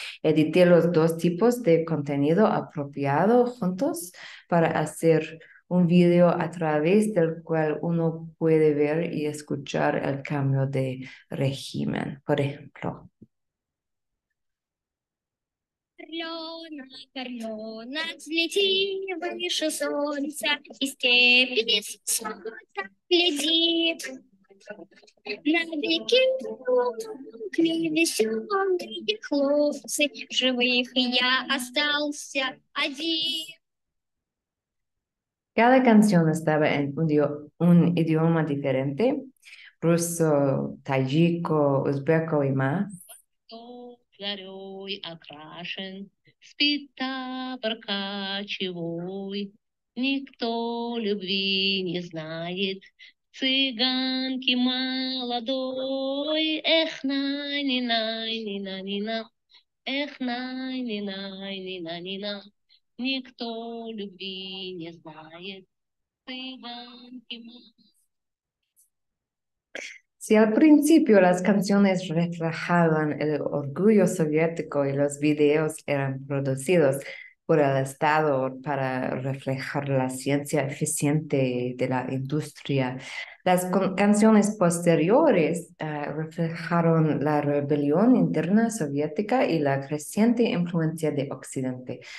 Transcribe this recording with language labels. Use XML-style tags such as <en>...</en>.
<es>Edité los dos tipos de contenido apropiado juntos para hacer un vídeo a través del cual uno puede ver y escuchar el cambio de régimen, por ejemplo.</es> <ru>Зелёна, зелёна, взлети выше солнца, и степь без солнца глядит. На реке умолкли весёлые хлопцы, живых я остался один.</ru> <es>Cada canción estaba en un idioma diferente, ruso, tayiko, uzbeko y más.</es> <ru>Зарей окрашен, спит табор кочевой. Никто любви не знает, цыганки молодой. Эх, най-ни-най-ни-на-ни-на, эх, най-ни-най-ни-на-ни-на. Никто любви не знает, цыганки молодой.</ru> <es>Si al principio las canciones reflejaban el orgullo soviético y los videos eran producidos por el Estado para reflejar la ciencia eficiente de la industria, las canciones posteriores reflejaron la rebelión interna soviética y la creciente influencia de Occidente.</es>